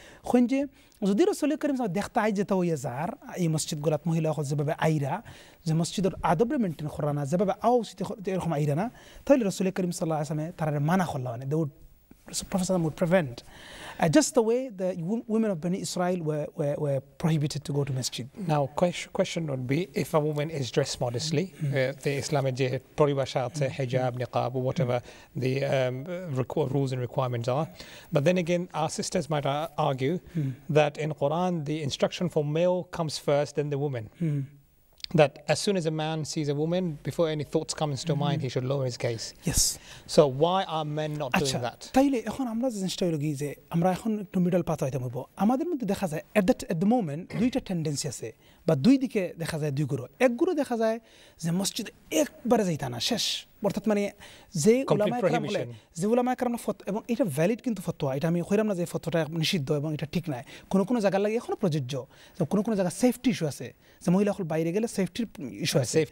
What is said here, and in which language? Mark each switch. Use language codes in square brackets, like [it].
[bn] coin যে যদি রাসূল করিম দেখতে আই যেত ওই যার এই মসজিদ গুলাত মহিলা হল যেভাবে আইরা যে মসজিদের আদবরে মেনটেন করা না যেভাবে আউসিতে এরকম আইরা না তাহলে রাসূল করিম সাল্লাল্লাহু আলাইহি ওয়াসাল্লাম তারা মানা করলা মানে [en] they would professor would prevent just the way the women of Bani Israel were prohibited to go to masjid now question would be if a woman is dressed modestly the Islamic jihad [bn] poribasha ate [en] hijab niqab or whatever the rules and requirements are but then again our sisters might argue that in Quran the instruction for male comes first then the woman that as soon as a man sees a woman before any thoughts come into his mind he should lower his gaze yes so why are men not Achha, doing that [bn] তাইলে এখন আমরা যে জিনিসটা হইলো যে আমরা এখন একটু মিডল পাথ হইতে হইব আমাদের মধ্যে দেখা যায় এট দ্য মোমেন্ট দুইটা টেন্ডেন্সি আছে বা দুই দিকে দেখা যায় দুই গুরু এক গুরু দেখা যায় যে মসজিদ একবারে যাইতে না শেষ অর্থাৎ মানে যে ওলামায়ে কেরাম বলে যে ওলামায়ে কেরাম ফত এবং এটা ভ্যালিড কিন্তু ফতোয়া এটা আমি কইরাম না যে ফতোয়াটা নিষিদ্ধ এবং এটা ঠিক নাই কোনো কোনো জায়গার লাগে এখনও প্রযোজ্য যে কোনো কোনো জায়গায় সেফটি ইস্যু আছে যে মহিলা সকল বাইরে গেলে সেফটির ইস্যু আছে